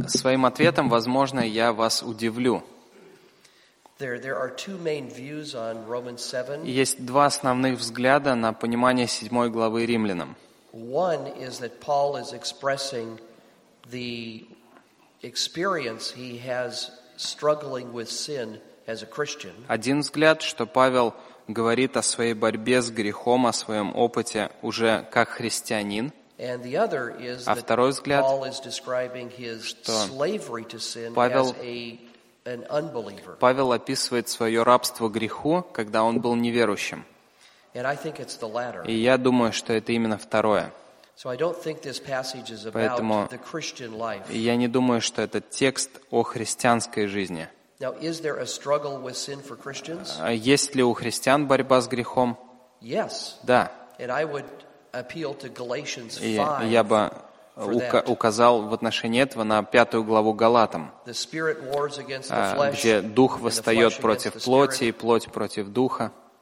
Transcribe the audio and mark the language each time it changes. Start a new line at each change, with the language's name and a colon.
Russian: Своим ответом, возможно, я вас удивлю.
English: There are two main views on Romans 7.
Russian: Есть два основных взгляда на понимание 7 главы Римлянам.
English: One is that Paul is expressing the experience he has struggling with sin as a Christian.
Russian: Один взгляд, что Павел говорит о своей борьбе с грехом, о своем опыте уже как христианин.
English: And the other is that Paul is describing his slavery to sin as an unbeliever.
Russian: Павел описывает свое рабство греху, когда он был неверующим.
English: And I think it's the latter.
Russian: И я думаю, что это именно второе.
English: So I don't think this passage is about
Russian: Поэтому
English: the Christian life.
Russian: Я не думаю, что это текст о христианской жизни.
English: Now, is there a struggle with sin for Christians?
Russian: Есть ли у христиан борьба с грехом?
English: Yes.
Russian: Да.
English: And I would appeal to Galatians 5.
Russian: И я бы указал в отношении этого на пятую главу Галатам, где дух восстает против плоти и плоть против духа.